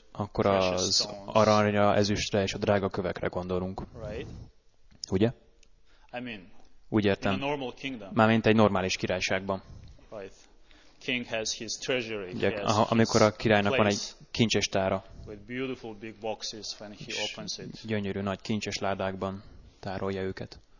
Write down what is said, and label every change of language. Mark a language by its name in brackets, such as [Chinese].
[Hungarian] akkor az aranyra, ezüstre és a drága kövekre gondolunk. [English] Right. [Hungarian] Ugye? [English] I mean, [Hungarian] úgy értem, [English] in a normal kingdom. [Hungarian] Mármint egy normális királyságban. [English] Right. King has his treasury. [Hungarian] Ugye, amikor a királynak van egy kincsestára. [English] With beautiful big boxes when he opens it. [Hungarian] Gyönyörű nagy kincses ládákban tárolja őket.